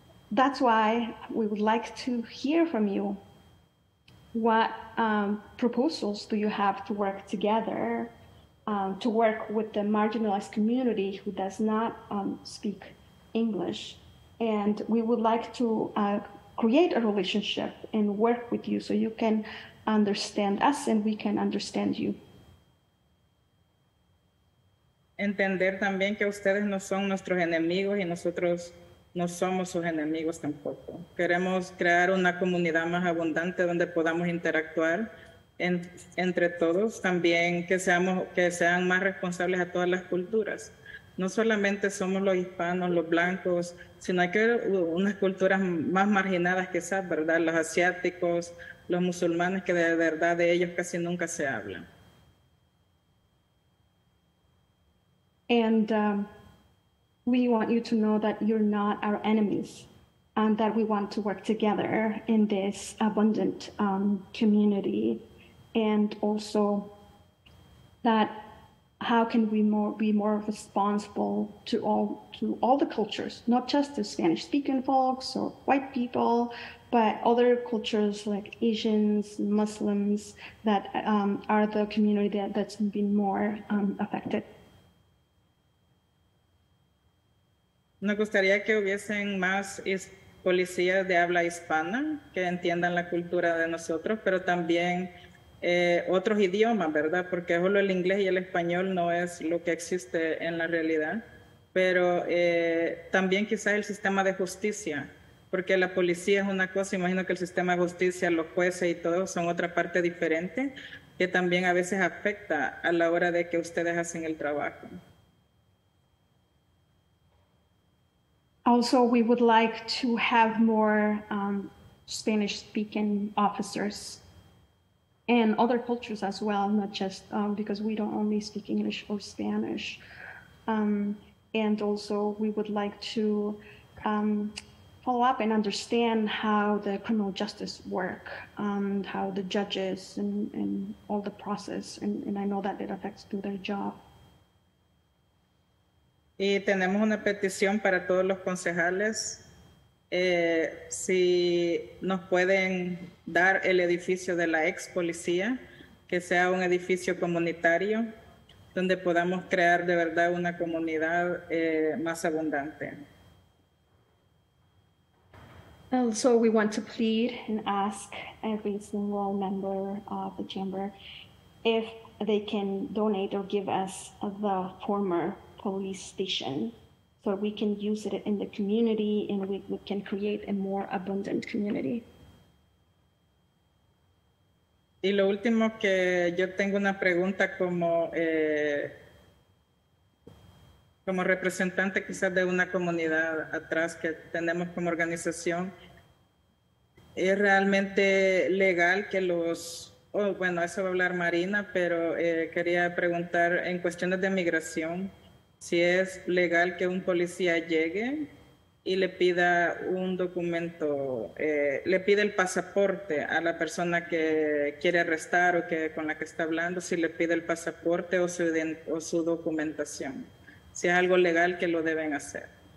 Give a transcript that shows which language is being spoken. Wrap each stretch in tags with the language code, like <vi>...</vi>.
<en>That's why we would like to hear from you. What proposals do you have to work together, to work with the marginalized community who does not speak English? And we would like to create a relationship and work with you so you can understand us and we can understand you.</en> <es>Entender también que ustedes no son nuestros enemigos y nosotros no somos sus enemigos tampoco. Queremos crear una comunidad más abundante donde podamos interactuar entre todos. También que sean más responsables a todas las culturas. No solamente somos los hispanos, los blancos, sino hay que unas culturas más marginadas quizás, ¿verdad? Los asiáticos, los musulmanes, que de verdad de ellos casi nunca se habla.</es> <en>And we want you to know that you're not our enemies, and that we want to work together in this abundant community. And also that how can we be more responsible to all the cultures, not just the Spanish speaking folks or white people, but other cultures like Asians, Muslims, that are the community that's been more affected.</en> <es>Nos gustaría que hubiesen más policías de habla hispana que entiendan la cultura de nosotros, pero también otros idiomas, ¿verdad? Porque solo el inglés y el español no es lo que existe en la realidad. Pero también quizás el sistema de justicia, porque la policía es una cosa, imagino que el sistema de justicia, los jueces y todo son otra parte diferente, que también a veces afecta a la hora de que ustedes hacen el trabajo.</es> <en>Also, we would like to have more Spanish-speaking officers and other cultures as well, not just because we don't only speak English or Spanish. And also, we would like to follow up and understand how the criminal justice work and how the judges and all the process, and I know that it affects to their job.</en> <es>Y tenemos una petición para todos los concejales Si nos pueden dar el edificio de la ex policía, que sea un edificio comunitario, donde podamos crear de verdad una comunidad más abundante.</es> <en>So we want to plead and ask every single member of the chamber if they can donate or give us the former police station so we can use it in the community and we can create a more abundant community.</en> <es>Y lo último que yo tengo una pregunta como como representante quizás de una comunidad atrás que tenemos como organización, ¿es realmente legal que los, bueno, eso va a hablar Marina, pero quería preguntar en cuestiones de migración, si es legal que un policía llegue y le pida un documento, le pide el pasaporte a la persona que quiere arrestar o que con la que está hablando, si le pide el pasaporte o su documentación, si es algo legal que lo deben hacer.</es>